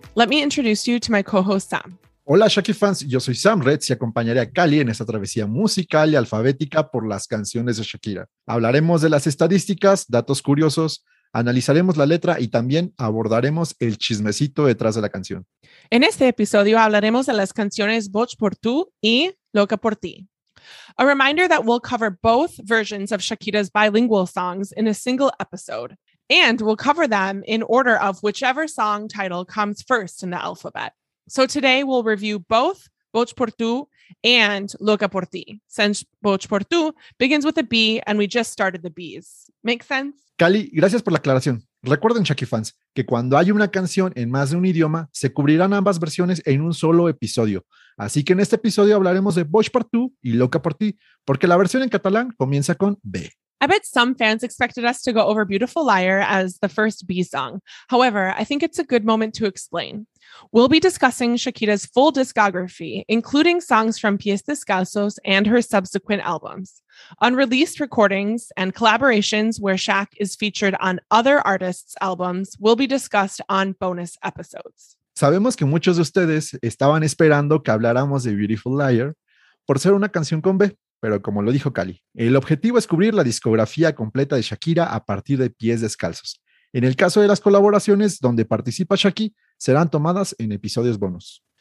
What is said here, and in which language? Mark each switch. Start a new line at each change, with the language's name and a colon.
English: Let me introduce you to my co-host Sam.
Spanish: Hola Shaki fans, yo soy Sam Retz y acompañaré a Callie en esta travesía musical y alfabética por las canciones de Shakira. Hablaremos de las estadísticas, datos curiosos, analizaremos la letra y también abordaremos el chismecito detrás de la canción. En este episodio hablaremos de las canciones Voz por Tú y Loca por Ti.
English: A reminder that we'll cover both versions of Shakira's bilingual songs in a single episode, and we'll cover them in order of whichever song title comes first in the alphabet. So today we'll review both Voz por Tú and Loca por Ti, since Voz por Tú begins with a B and we just started the Bs. Make sense?
Spanish: Cali, gracias por la aclaración. Recuerden, Shaki fans, que cuando hay una canción en más de un idioma, se cubrirán ambas versiones en un solo episodio. Así que en este episodio hablaremos de Voz por Tú y Loca por Ti, porque la versión en catalán comienza con B.
English: I bet some fans expected us to go over Beautiful Liar as the first B song. However, I think it's a good moment to explain. We'll be discussing Shakira's full discography, including songs from Pies Descalzos and her subsequent albums, unreleased recordings and collaborations where Shak is featured on other artists' albums will be discussed on bonus episodes.
Spanish: Sabemos que muchos de ustedes estaban esperando que habláramos de Beautiful Liar por ser una canción con B, pero como lo dijo Cali, el objetivo es cubrir la discografía completa de Shakira a partir de Pies Descalzos. En el caso de las colaboraciones donde participa Shaki, serán tomadas en episodios bonus.